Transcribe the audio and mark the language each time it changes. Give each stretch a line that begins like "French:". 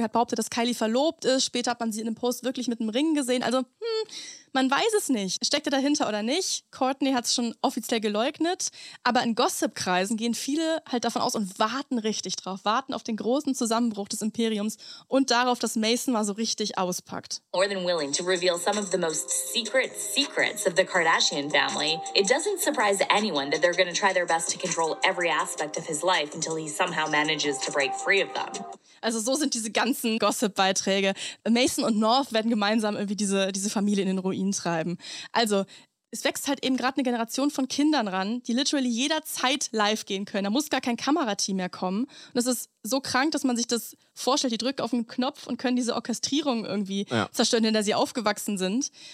German: Er behauptet, dass Kylie verlobt ist. Später hat man sie in einem Post wirklich mit einem Ring gesehen. Also, man weiß es nicht. Steckt er dahinter oder nicht? Courtney hat es schon offiziell geleugnet. Aber in Gossip-Kreisen gehen viele halt davon aus und warten richtig drauf. Warten auf den großen Zusammenbruch des Imperiums und darauf, dass Mason mal so richtig auspackt.
English: More than willing to reveal some of the most secret secrets of the Kardashian family. It doesn't surprise anyone that they're going to try their best to control every aspect of his life until he somehow manages to break free of them.
German: Also so sind diese ganzen Gossip-Beiträge. Mason und North werden gemeinsam irgendwie diese Familie in den Ruin treiben. Also es wächst halt eben gerade eine Generation von Kindern ran, die literally jederzeit live gehen können. Da muss gar kein Kamerateam mehr kommen. Und es ist so krank, dass man sich das vorstellt. Die drücken auf einen Knopf und können diese Orchestrierung irgendwie zerstören, in der sie aufgewachsen sind.